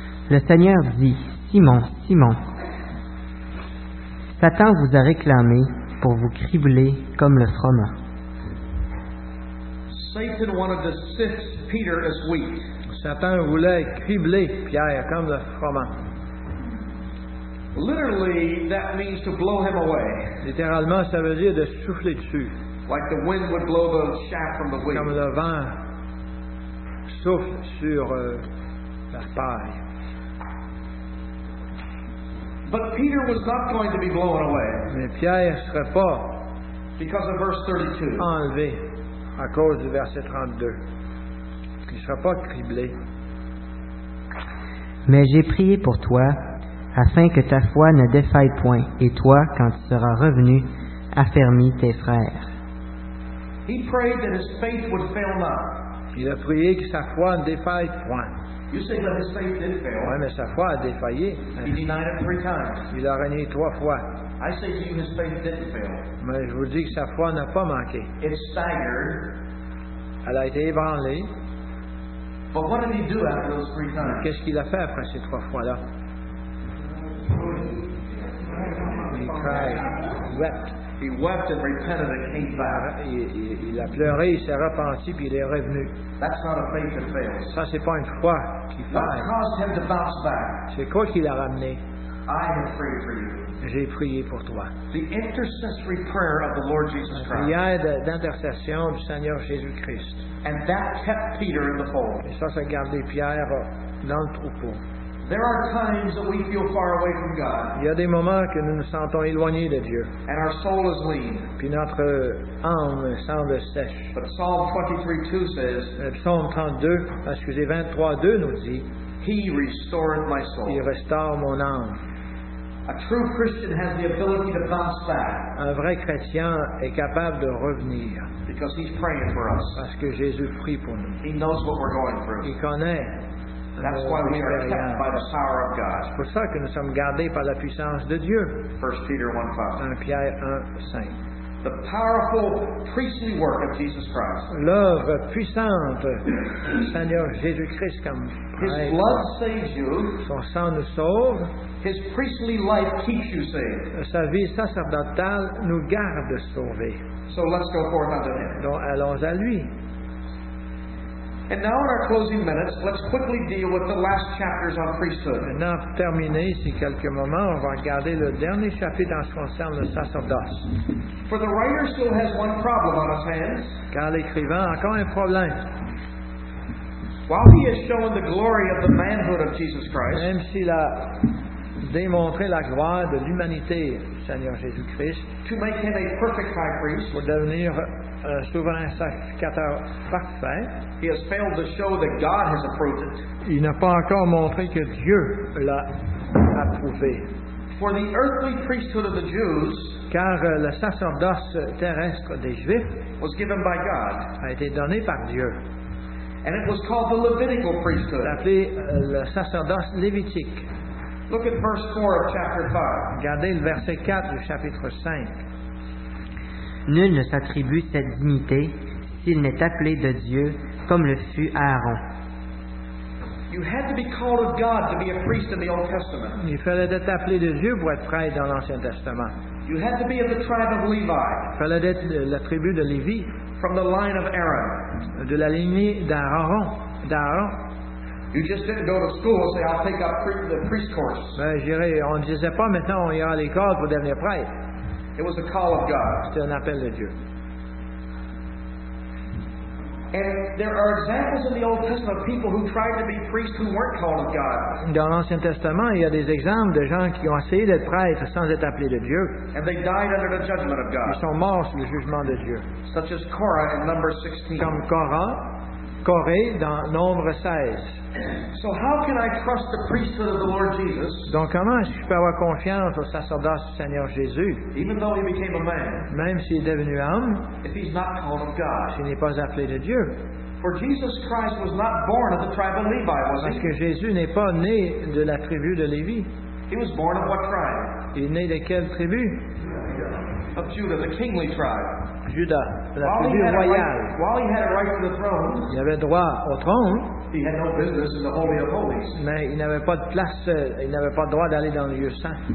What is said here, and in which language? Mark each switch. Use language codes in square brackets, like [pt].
[fr] Le Seigneur dit, Simon, Simon, Satan vous a réclamé pour vous cribler comme le froment. [en] Satan wanted to sift Peter as wheat. [fr] Satan voulait cribler Pierre comme le froment. [en] Literally, that means to blow him away. [fr] Littéralement, ça veut dire de souffler dessus. [en] Like the wind would blow the chaff from the wheat. [fr] Comme le vent souffle sur la paille. [en] But Peter was not going to be blown away. [fr] Mais Pierre serait pas. [en] Because of verse 32. [fr] Enlevé à cause du verset 32. Il ne sera pas criblé. Mais j'ai prié pour toi afin que ta foi ne défaille point et toi, quand tu seras revenu, affermis tes frères. [en] He prayed that his faith would fail not. [fr] Il a prié que sa foi ne défaille point. [en] You say that his faith did fail. [fr] Ouais, mais sa foi a défaillé. [en] He denied it three times. [fr] Il a renié trois fois. [en] I say to you his faith didn't fail. [fr] Mais je vous dis que sa foi n'a pas manqué. [en] It staggered. [fr] Elle a été ébranlée. [en] But what did he do after those three times? [fr] Qu'est-ce qu'il a fait après ces trois fois-là? [en] He cried. He wept and repented and came back. [fr] Il a pleuré, il s'est repenti, puis il est revenu. [en] That's not a faith that fails. [fr] Ça, c'est pas une foi qui faille. [en] What caused him to bounce back? [fr] C'est quoi qui l'a ramené? [en] I have prayed for you. [fr] J'ai prié pour toi. [en] The intercessory prayer of the Lord Jesus Christ. [fr] La prière d'intercession du Seigneur Jésus-Christ. [en] And that kept Peter in the fold. [fr] Et ça, ça gardait Pierre dans le troupeau. [en] There are times that we feel far away from God. [fr] Il y a des moments que nous nous sentons éloignés de Dieu. [en] And our soul is lean. [fr] Puis notre âme semble sèche. [en] But Psalm 23:2 says. [fr] Psalm 23:2 nous dit. [en] He restored my soul. [fr] Il restaure mon âme. [en] A true Christian has the ability to bounce back. [fr] Un vrai chrétien est capable de revenir. [en] Because he's praying for us. [fr] Parce que Jésus prie pour nous. [en] He knows what we're going through. [fr] Il connaît. [en] That's why we are kept by the power of God. [fr] C'est pour ça que nous sommes gardés par la puissance de Dieu. [en] 1 Peter 1:5. The powerful priestly work of Jesus Christ. [fr] L'œuvre puissante du Seigneur Jésus-Christ comme prêtre. [en] His blood saves you. [fr] Son sang nous sauve. [en] His priestly life keeps you safe. [fr] Sa vie sacerdotale nous garde sauvés. [en] So let's go forth unto him. [fr] Donc allons à lui. [en] And now in our closing minutes, let's quickly deal with the last chapters on priesthood. [fr] Maintenant, pour terminer ces quelques moments, on va regarder le dernier chapitre en ce qui concerne le sacerdoce. [en] For the writer still has one problem on his hands. [fr] Car l'écrivain a encore un problème. [en] While he has shown the glory of the manhood of Jesus Christ, [fr] même s'il a démontré la gloire de l'humanité du Seigneur Jésus-Christ, [en] to make him a perfect high priest, [fr] pour devenir un souverain sacrificateur parfait. [en] He has failed to show that God has approved it. [fr] Il n'a pas encore montré que Dieu l'a approuvé. [en] For the earthly priesthood of the Jews, [fr] car le sacerdoce terrestre des Juifs [en] was given by God, [fr] a été donné par Dieu. [en] And it was called the Levitical priesthood. [fr] Appelé le sacerdoce lévitique. [en] Look at verse 4 of chapter 5. [fr] Regardez le verset 4 du chapitre 5. Nul ne s'attribue cette dignité s'il n'est appelé de Dieu comme le fut Aaron. [en] You had to be called of God to be a priest in the Old Testament. [fr] Il fallait être appelé de Dieu pour être prêtre dans l'Ancien Testament. [en] You had to be of the tribe of Levi. [fr] Il fallait être de la tribu de Lévi. [en] From the line of Aaron. [fr] De la lignée d'Aaron. [en] You just didn't go to school and say, I'll take up the priest course. [fr] Ben, j'irai, on ne disait pas, maintenant on ira à l'école pour devenir prêtre. [en] It was a call of God. [fr] C'était un appel de Dieu. [en] And there are examples in the Old Testament of people who tried to be priests who weren't called of God. [fr] Dans l'Ancien Testament, il y a des exemples de gens qui ont essayé d'être prêtres sans être appelés de Dieu. [en] And they died under the judgment of God. [fr] Ils sont morts sous le jugement de Dieu. [en] Such as Korah in Numbers 16. [fr] Comme Corée dans Nombre 16. [en] So how can I trust the priesthood of the Lord Jesus? [fr] Donc comment je peux avoir confiance au sacerdoce du Seigneur Jésus? [en] Even though he became a man. [fr] Même s'il est devenu homme. [en] If he's not called of God. [fr] S'il n'est pas appelé de Dieu. [en] For Jesus Christ was not born of the tribe of Levi, was he? [fr] Parce que Jésus n'est pas né de la tribu de Lévi. [en] He was born of what tribe? [fr] Il est né de quelle tribu? [en] Of Judah, the kingly tribe. [fr] Judas, la tribu royale. [en] While he had a right to the throne, [fr] il avait droit au trône. [en] He had no business in the Holy of Holies. [fr] Mais il n'avait pas de place, il n'avait pas le droit d'aller dans le lieu saint.